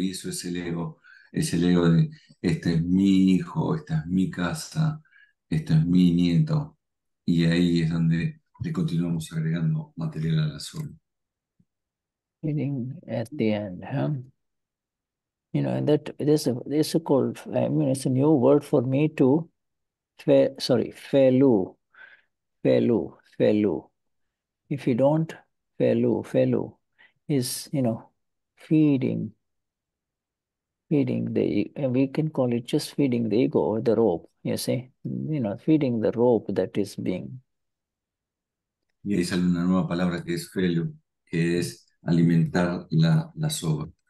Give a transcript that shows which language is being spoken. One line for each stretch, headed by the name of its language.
Spanish: Y eso es el ego de, este es mi hijo, esta es mi casa, esto es mi nieto. Y ahí es donde le continuamos agregando material a la soga.
English: Feeding at the end, huh? And that this is called, I mean, it's a new word for me too. Felu, felu, felu. If you don't, felu, felu is, feeding the, and we can call it just feeding the ego or the rope, you see, feeding the rope that is being.
Spanish: Y ahí sale una nueva palabra que es felo, que es alimentar la soga.